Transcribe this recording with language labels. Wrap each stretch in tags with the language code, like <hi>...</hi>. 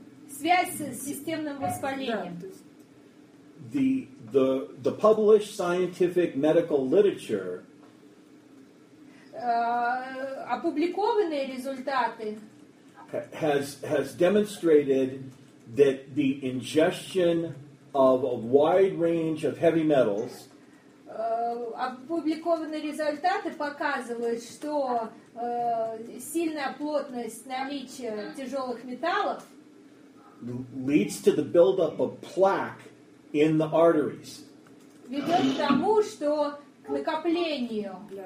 <ru>Связь с системным воспалением.</ru> <en>The published scientific medical literature.</en> <ru>Опубликованные результаты.</ru> <en>Has demonstrated that the ingestion of a wide range of heavy metals.</en> <ru>Опубликованные результаты показывают, что сильная плотность наличия тяжелых металлов</ru> <en>leads to the buildup of plaque in the arteries.</en> <ru>Ведет к тому, что к накоплению.</ru>